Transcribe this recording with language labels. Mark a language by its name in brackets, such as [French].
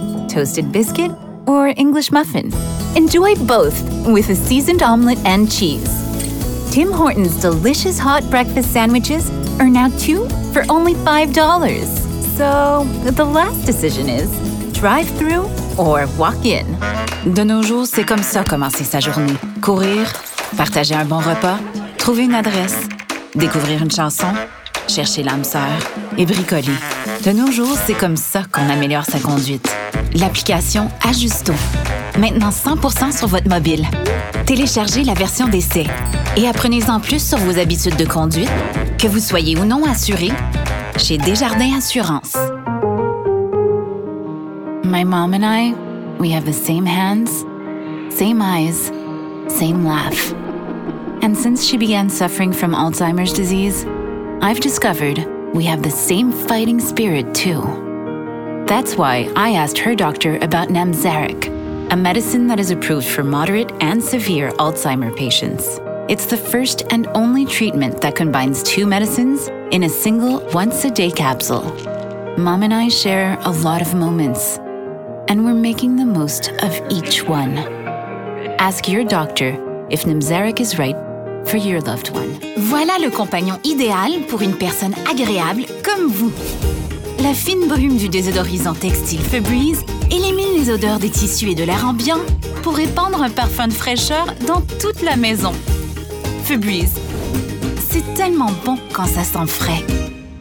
[English] Toasted biscuit or English muffin? Enjoy both with a seasoned omelet and cheese. Tim Hortons' delicious hot breakfast sandwiches are now two for only $5. So the last decision is drive-through or walk-in. [French] De nos jours, c'est comme ça commencer sa journée. Courir, partager un bon repas, trouver une adresse, découvrir une chanson, chercher l'âme sœur et bricoler. De nos jours, c'est comme ça qu'on améliore sa conduite. L'application Ajusto, maintenant 100% sur votre mobile. Téléchargez la version d'essai et apprenez-en plus sur vos habitudes de conduite, que vous soyez ou non assuré, chez Desjardins Assurance. [English] My mom and I, we have the same hands, same eyes, same laugh. And since she began suffering from Alzheimer's disease, I've discovered we have the same fighting spirit too. That's why I asked her doctor about Namzaric, a medicine that is approved for moderate and severe Alzheimer patients. It's the first and only treatment that combines two medicines in a single once-a-day capsule. Mom and I share a lot of moments, and we're making the most of each one. Ask your doctor if Namzaric is right for your loved one. [French] Voilà le compagnon idéal pour une personne agréable comme vous. La fine brume du désodorisant textile Febreze élimine les odeurs des tissus et de l'air ambiant pour répandre un parfum de fraîcheur dans toute la maison. Febreze, c'est tellement bon quand ça sent frais.